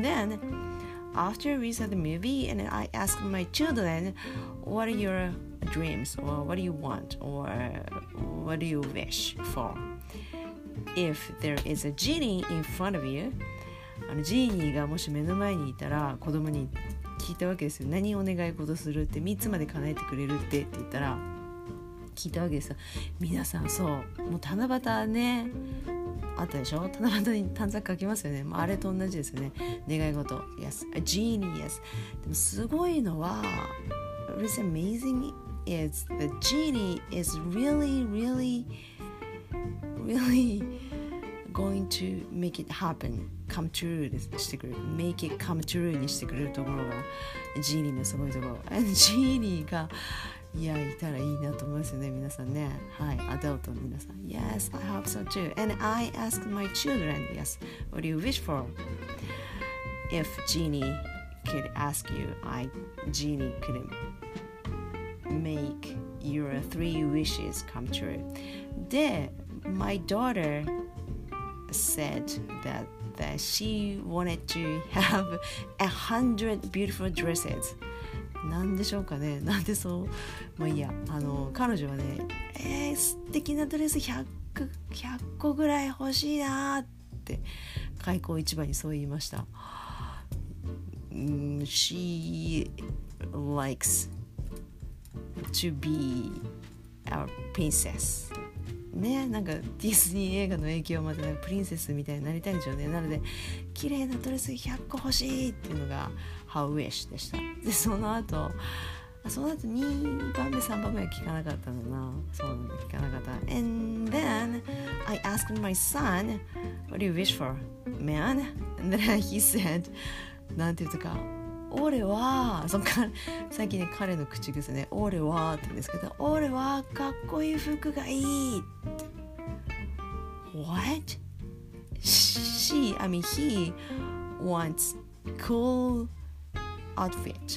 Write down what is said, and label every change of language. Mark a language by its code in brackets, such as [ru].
[en] Then after we saw the movie and I asked my children what are your dreams or what do you want or what do you wish for if there is a genie in front of you [ja] ジーニーがもし目の前にいたら子供に聞いたわけですよ。何お願い事するって、3つまで叶えてくれるってって言ったら聞いたわけですよ。皆さんそう、もう七夕ね、あったでしょ、七夕に短冊書きますよね。もうあれと同じですよね、願い事。 [en] Yes, a genie, yes. [ja] でもすごいのは [en] What's amazing is the genie is really going to make it happen, come true [ja] してくれる、 [en] make it come true [ja] にしてくれるところがジーニーのすごいところ。ジーニーがいやいたらいいなと思いますよね皆さんね。はい、アダルトの皆さん。 [en] Yes, I hope so too. And I ask my children, yes, what do you wish for? If genie could ask you, I genie could make your three wishes come true. [ja] で、 [en] my daughter said that she wanted to have 100 beautiful dresses. [ja] なんでしょうかね、なんでそう、まあいいや、あの彼女はね、素敵なドレス 100個ぐらい欲しいなって開口一番にそう言いました。 [en] She likes to be a princess [ja] ね、なんかディズニー映画の影響までなんかプリンセスみたいになりたいんでしょうね。なので綺麗なドレス100個欲しいっていうのがハウウィッシュでした。でその後2番目3番目は聞かなかったのな。そうなんだ、聞かなかった。 [en] And then I asked my son what do you wish for, man? And then he said [ja] なんていうとか俺はそか最近、ね、彼の口癖ね、俺はって言うんですけど、俺はかっこいい服がいいって [en] What? She, I mean he wants cool outfit